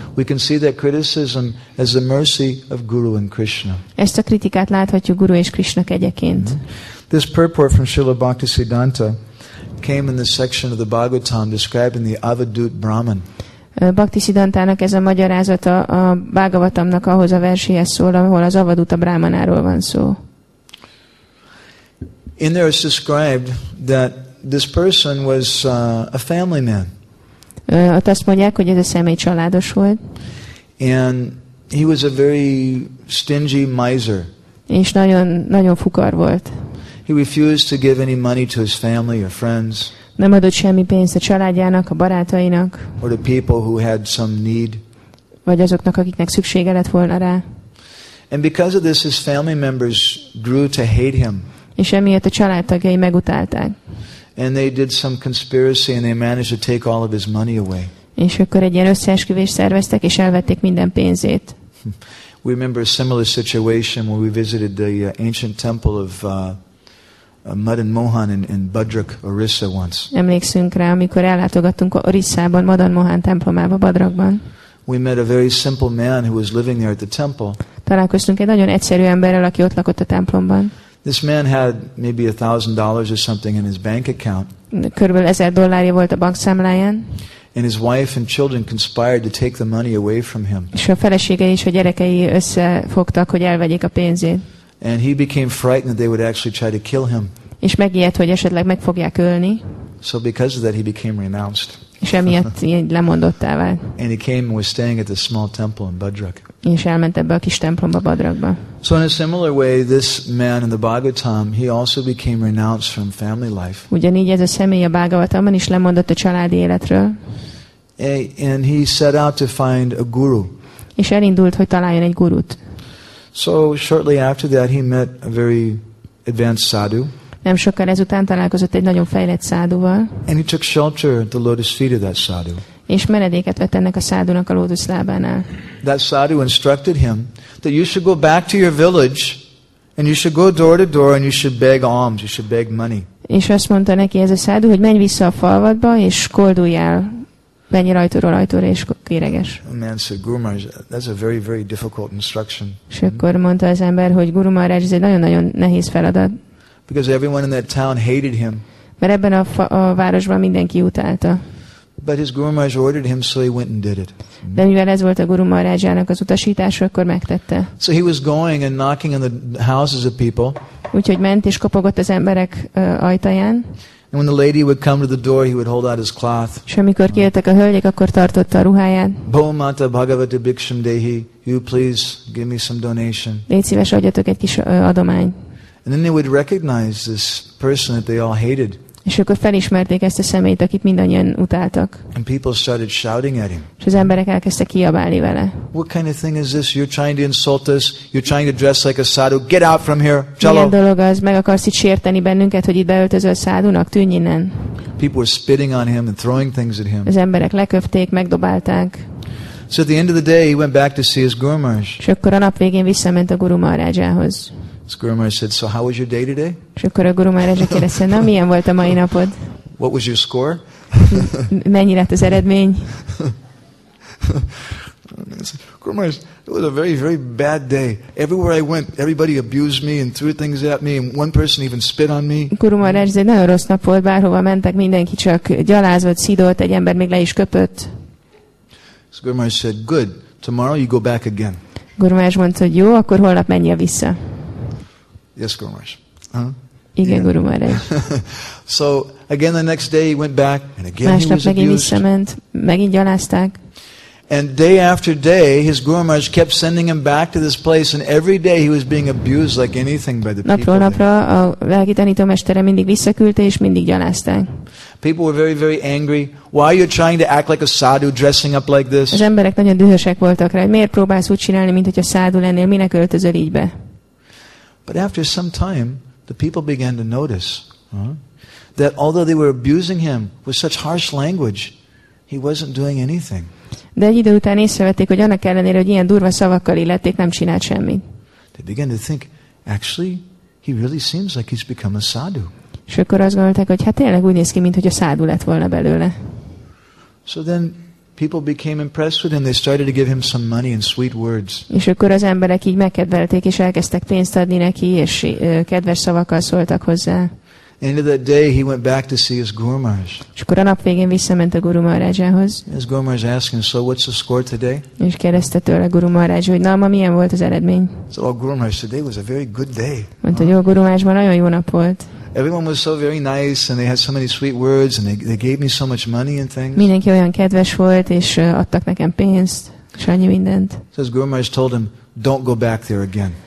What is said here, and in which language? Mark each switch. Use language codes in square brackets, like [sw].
[en] We can see that criticism as the mercy of Guru and Krishna. [hu] Ezt a kritikát láthatjuk Guru és Krishna kegyeként. [en] This purport from Srila Bhaktisiddhanta came in the section of the Bhagavatam describing the Avadhut Brahman. [hu] Bhaktisiddhantának ez a magyarázata a Bhagavatamnak ahhoz a verséhez szól, ahol az Avaduta Brahmanáról van szó. [en] In there is described that this person was a family man. [hu] Ott azt mondják, hogy ez a személy családos volt. [en] And he was a very stingy miser. [hu] És nagyon, nagyon fukar volt. [en] He refused to give any money to his family or friends. [hu] Nem adott semmi pénzt a családjának, a barátainak. [en] Or the people who had some need. [hu] Vagy azoknak, akiknek szüksége lett volna rá. [en] And because of this, his family members grew to hate him. [hu] És emiatt a családtagjai megutálták. [en] And they did some conspiracy and they managed to take all of his money away. [hu] És akkor egy ilyen összeesküvés szerveztek és elvették minden pénzét. [en] We remember a similar situation when we visited the ancient temple of Madan Mohan in Badrak Orissa once. [hu] Emlékszünk rá, amikor ellátogattunk Orissában, Madan Mohan templomába, Badrakban. [en] We met a very simple man who was living there at the temple. [hu] találkoztunk egy nagyon egyszerű emberrel, aki ott lakott a templomban. [en] This man had maybe $1,000 or something in his bank account. [hu] Körülbelül $1,000 volt a bankszámláján. [en] And his wife and children conspired to take the money away from him. [hu] És a felesége és a gyerekei összefogtak, hogy elvegyék a pénzét. [en] And he became frightened that they would actually try to kill him. [hu] És megijedt, hogy esetleg meg fogják ölni. [en] So because of that, he became renounced. [hu] És emiatt lemondottá vált. [en] And he came and was staying at the small temple in Budrak. [hu] És elment ebbe a kis templomba, Budrakba. [en] So in a similar way, this man in the Bhagavatam, he also became renounced from family life. [hu] Ugyanígy ez a személy a Bhagavatamban is lemondott a családi életről. [en] And he set out to find a guru. [hu] És elindult, hogy találjon egy gurut. [en] So shortly after that, he met a very advanced sadhu. [hu] Nem sokkal ezután találkozott egy nagyon fejlett száduval. [en] And he took shelter at the lotus feet of that sadhu. [hu] És menedéket vett ennek a szádunak a lótusz lábánál. [en] That sadhu instructed him that you should go back to your village and you should go door to door and you should beg alms, you should beg money. [hu] És azt mondta neki ez a szádu, hogy menj vissza a falvadba és kolduljál. Menj rajtóról rajtóra és kéreges. [en] A man said, Guru Maharaj, that's a very, very difficult instruction. [hu] És akkor mondta az ember, hogy Guru Maharaj, ez egy nagyon-nagyon nehéz feladat. [en] Because everyone in that town hated him. [hu] Mert ebben a városban mindenki utálta. [en] But his Guru Maharaj ordered him, so he went and did it. [hu] De mivel ez volt a Guru Maharajának az utasítása, akkor megtette. [en] So he was going and knocking on the houses of people. [hu] Úgyhogy ment és kopogott az emberek ajtaján. [en] And when the lady would come to the door, he would hold out his cloth. [hu] És amikor kijöttek a hölgyek, akkor tartotta a ruháját. [sa] Bhom Mata Bhagavati Bhiksham Dehi, [en] you please give me some donation. [hu] Légy szíves, adjatok egy kis adomány. [en] And then they would recognize this person that they all hated. [hu] És akkor felismerték ezt a személyt, akit mindannyian utáltak. [en] And people started shouting at him. [hu] És az emberek elkezdtek kiabálni vele. [en] What kind of thing is this? You're trying to insult us. You're trying to dress like a sadhu. Get out from here. [hu] Csaló. Milyen dolog az? Meg akarsz itt sérteni bennünket, hogy itt beöltözöl szádunak? Tűnj innen. [en] People were spitting on him and throwing things at him. [hu] Az emberek leköfték, megdobálták. [en] So at the end of the day, he went back to see his Guru Maharaj. [hu] És akkor a nap végén visszament a Guru Maharajához. [en] His Guru Maharaj said, "So how was your day today?" [hu] És akkor a Guru Maharaj kérdezte, "Na, milyen volt a mai napod?" [en] What was your score? [hu] Mennyi lett az eredmény? [en] Guru Maharaj, it was a very, very bad day. Everywhere I went, everybody abused me and threw things at me, and one person even spit on me. [hu] Guru Maharaj, ez egy nagyon rossz nap volt, bárhova mentek, mindenki csak gyalázott, szidott, egy ember még le is köpött. [en] His Guru Maharaj said, "Good. Tomorrow you go back again." [hu] Guru Maharaj mondta, hogy jó, akkor holnap menj vissza. [en] Yes, Guru Maharaj. [hu] Igen, Guru Maharaj. [en] So again, the next day he went back, and again [hu] másnap [en] he was abused. [hu] Másnap megint visszament, megint gyalázták. [en] And day after day, his Guru Maharaj kept sending him back to this place, and every day he was being abused like anything by the people. [hu] Napról napra a lelki tanító mestere mindig visszaküldte és mindig gyalázták. [en] People were very, very angry. Why are you trying to act like a sadhu, dressing up like this? [hu] Az emberek nagyon dühösek voltak rá. Miért próbálsz úgy csinálni, mint hogy a sadhu lennél? Minek öltözöl így be? [en] But after some time, the people began to notice that although they were abusing him with such harsh language, he wasn't doing anything. [hu] De egy idő után észrevették, hogy annak ellenére, hogy ilyen durva szavakkal illették, nem csinált semmit. [en] They began to think, actually, he really seems like he's become a sadhu. [hu] És akkor azt gondolták, hogy hát tényleg úgy néz ki, mint hogy a sadhu lett volna belőle. [en] So then people became impressed with him. They started to give him some money and sweet words. [hu] És akkor az emberek így megkedvelték és elkezdtek pénzt adni neki és kedves szavakkal szóltak hozzá. [en] End of that day, he went back to see his Guru Maharaj. [hu] És akkor a nap végén visszament a Guru Maharajához. [en] His Guru Maharaj asked him, "So what's the score today?" [hu] És kérdezte tőle a Guru Maharaj, hogy na, ma milyen volt az eredmény? [en] So our Guru Maharaj, today was a very good day. [hu] Mondta, hogy a Guru Maharaj, ma nagyon jó nap volt. [en] Everyone was so very nice, and they had so many sweet words, and they gave me so much money and things. [hu] Mindenki olyan kedves volt, és adtak nekem pénzt, és annyi mindent. [en] So his Guru Maharaj told him, "Don't go back there again."